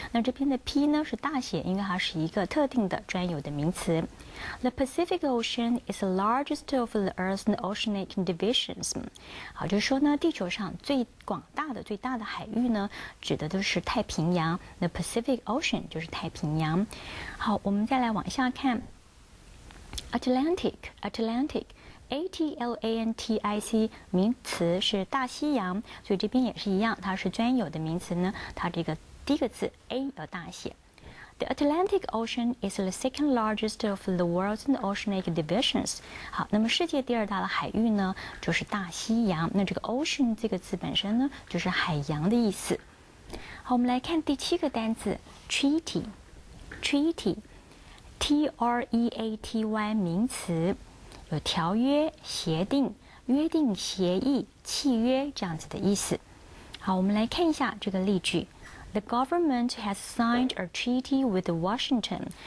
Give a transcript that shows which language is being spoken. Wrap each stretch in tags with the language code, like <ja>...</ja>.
<zh>那这边的 P 呢是大写，应该还是一个特定的专有的名词。</zh> <en>The Pacific Ocean is the largest of the Earth's oceanic divisions.</en> <zh>好，就是说呢，地球上最广大的、最大的海域呢，指的都是太平洋。 The Pacific Ocean 就是太平洋。好，我们再来往下看。 Atlantic, A-T-L-A-N-T-I-C， 名词是大西洋，所以这边也是一样，它是专有的名词呢，它这个第一个字 A 要大写。</zh> <en>The Atlantic Ocean is the second largest of the world's oceanic divisions.</en> <zh>好，那么世界第二大的海域呢，就是大西洋。那这个 ocean 这个字本身呢，就是海洋的意思。好，我们来看第七个单字 treaty，T-R-E-A-T-Y， 名词，有条约、协定、约定、协议、契约这样子的意思。好，我们来看一下这个例句。</zh> <en>The government has signed a treaty with Washington.</en>